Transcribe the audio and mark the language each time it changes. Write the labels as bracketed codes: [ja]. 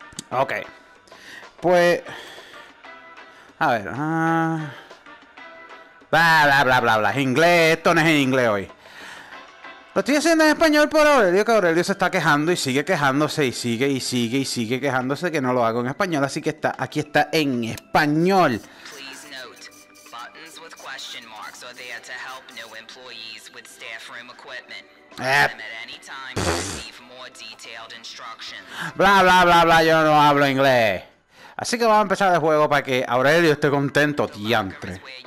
[es] Ok, pues, a ver, bla, inglés, esto no es en inglés hoy. Lo estoy haciendo en español por Aurelio, que Aurelio se está quejando y sigue quejándose y sigue quejándose que no lo hago en español, así que aquí está en español. [en] Please note, buttons with question marks are there to help new employees with staff room equipment. At any time to receive more detailed instructions. [es] Bla, yo no hablo inglés. Así que vamos a empezar el juego para que Aurelio esté contento, diantre.